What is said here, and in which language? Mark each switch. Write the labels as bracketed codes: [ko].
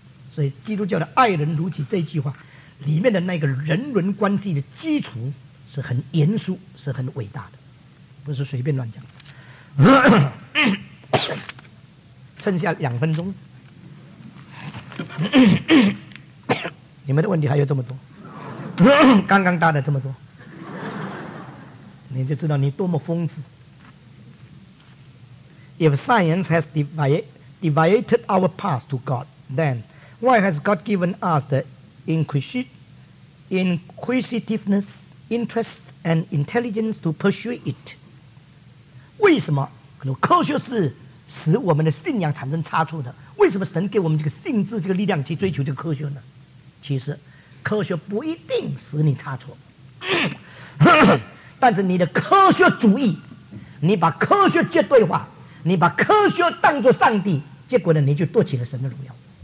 [zh] 所以基督教的爱人如己这句话里面的那个人伦关系的基础是很严肃，是很伟大的，不是随便乱讲。剩下两分钟，你们的问题还有这么多，刚刚答的这么多，你就知道你多么疯子。 [en] If science has divided our path to God, then why has God given us the inquisitiveness, interest, and intelligence to pursue it? [zh] 为什么科学是使我们的信仰产生差错的？为什么神给我们这个性质这个力量去追求这个科学呢？其实科学不一定使你差错，但是你的科学主义，你把科学绝对化，你把科学当作上帝，结果呢你就夺取了神的荣耀。